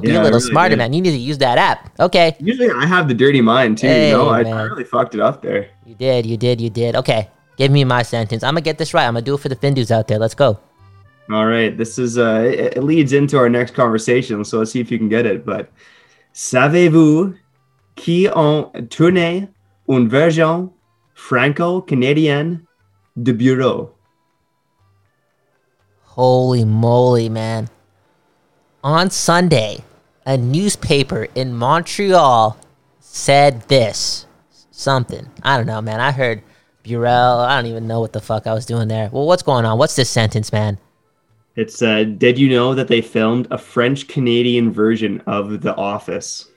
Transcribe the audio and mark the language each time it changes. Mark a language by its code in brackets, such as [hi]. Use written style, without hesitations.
[en] Be a little really smarter, man. You need to use that app. Okay. Usually I have the dirty mind, too. Hey, you know, I really fucked it up there. You did. Okay. Give me my sentence. I'm going to get this right. I'm going to do it for the Findus out there. Let's go. All right. This is, it leads into our next conversation. So let's see if you can get it. [fr] But savez-vous qui ont tourné une version franco-canadienne de Bureau? [en] Holy moly, man. On Sunday, a newspaper in Montreal said this. Something. I don't know, man. I heard Burrell. I don't even know what the fuck I was doing there. Well, what's going on? What's this sentence, man? It said, did you know that they filmed a French-Canadian version of The Office?